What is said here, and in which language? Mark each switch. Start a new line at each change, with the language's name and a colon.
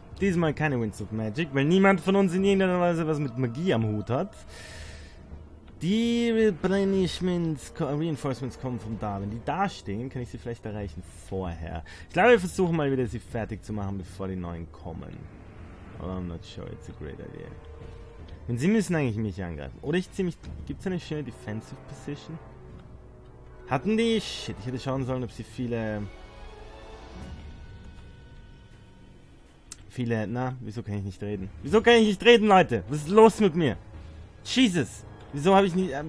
German: Diesmal keine Winds of Magic, weil niemand von uns in irgendeiner Weise was mit Magie am Hut hat. Die Reinforcements kommen von da. Wenn die da stehen, kann ich sie vielleicht erreichen vorher. Ich glaube, wir versuchen mal wieder, sie fertig zu machen, bevor die neuen kommen.
English: Aber I'm not sure it's a great idea.
German: Und sie müssen eigentlich mich angreifen. Oder ich ziehe mich... Gibt es eine schöne Defensive Position? Hatten die... Shit, ich hätte schauen sollen, ob sie viele... Na, wieso kann ich nicht reden? Wieso kann ich nicht reden, Leute? Was ist los mit mir? Jesus! Wieso habe ich nicht...